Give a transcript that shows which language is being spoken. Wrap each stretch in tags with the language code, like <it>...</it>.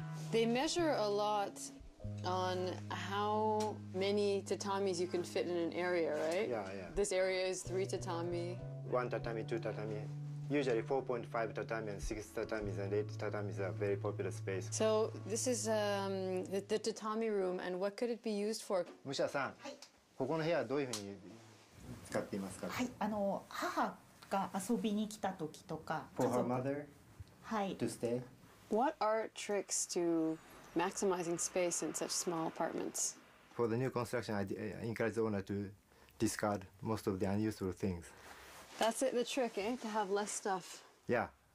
<en>They measure a lot on how many tatamis you can fit in an area, right? Yeah, yeah. This area is 3 tatami. 1 tatami, 2 tatami. Usually 4.5 tatami and 6 tatamis and 8 tatamis are a very popular space. So this is the tatami room, and what could it be used for?</en> <ja>Musha-san, ここの部屋どういうふうに使っていますか？はい、あの、母が遊びに来た時とか、</ja> <en>For her mother?</en> <ja>はい。</ja> <en>To stay? What are tricks to maximizing space in such small apartments? For the new construction, I encourage the owner to discard most of the unusual things. That's it, the trick, eh? To have less stuff. Yeah.</en>